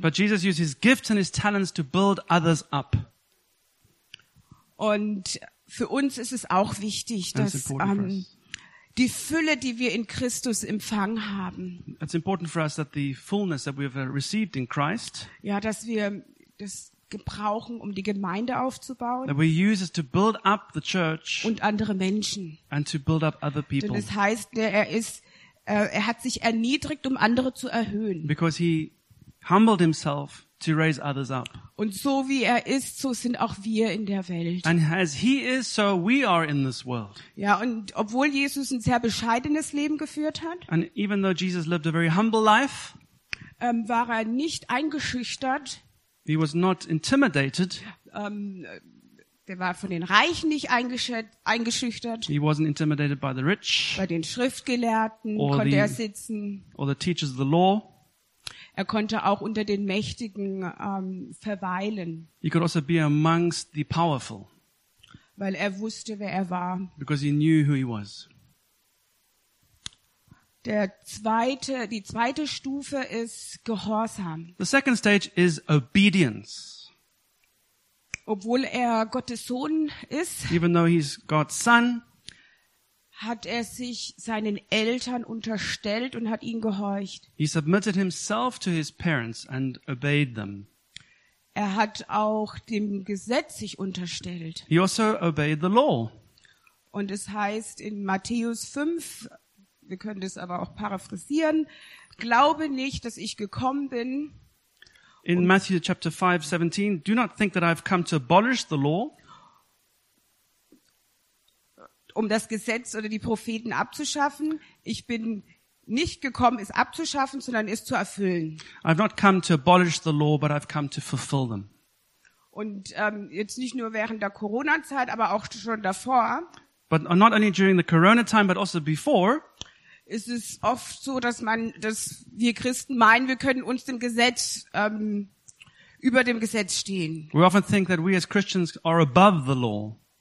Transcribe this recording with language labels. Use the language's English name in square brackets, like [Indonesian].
[English] But Jesus used his gifts and his talents to build others up. [German] Und für uns ist es auch wichtig, dass die Fülle, die wir in Christus empfangen haben. [English] It's important for us that the fullness that we have received in Christ. [German] Ja, dass wir das gebrauchen, um die Gemeinde aufzubauen. [English] That we use it to build up the church. [German] Und andere Menschen. [English] And to build up other people. [German] Denn es heißt, er hat sich erniedrigt, um andere zu erhöhen. [English] Because he humbled himself to raise others up. [German] Und so wie er ist, so sind auch wir in der Welt. [English] And as he is, so we are in this world. [German] Ja, und obwohl Jesus ein sehr bescheidenes Leben geführt hat, [English] and even though Jesus lived a very humble life, [German] war er nicht eingeschüchtert. [English] He was not intimidated. [German] Er war von den Reichen nicht eingeschüchtert. [English] He wasn't intimidated by the rich. [German] Bei den Schriftgelehrten konnte er sitzen. [English] Or the teachers of the law. [German] Er konnte auch unter den Mächtigen verweilen. [English] He could also be amongst the powerful. [German] Weil er wusste, wer er war. [English] Because he knew who he was. [German] Die zweite Stufe ist Gehorsam. [English] The second stage is obedience. [German] Obwohl er Gottes Sohn ist, [English] even though he's God's son, [German] hat er sich seinen Eltern unterstellt und hat ihnen gehorcht. [English] He submitted himself to his parents and obeyed them. [German] Er hat auch dem Gesetz sich unterstellt. [English] He also obeyed the law. [German] Und es heißt in Matthäus 5, wir können das aber auch paraphrasieren, glaube nicht, dass ich gekommen bin. [English] In Matthew chapter 5, 17, do not think that I've come to abolish the law. [German] Um das Gesetz oder die Propheten abzuschaffen. Ich bin nicht gekommen, es abzuschaffen, sondern es zu erfüllen. [English] I've not come to abolish the law, but I've come to fulfill them. [German] Und jetzt nicht nur während der Corona-Zeit, aber auch schon davor. [English] But not only during the Corona time, but also before. [German] Ist es oft so, dass wir Christen meinen, wir können uns dem Gesetz über dem Gesetz stehen. [English] We often think that we as Christians are above the law.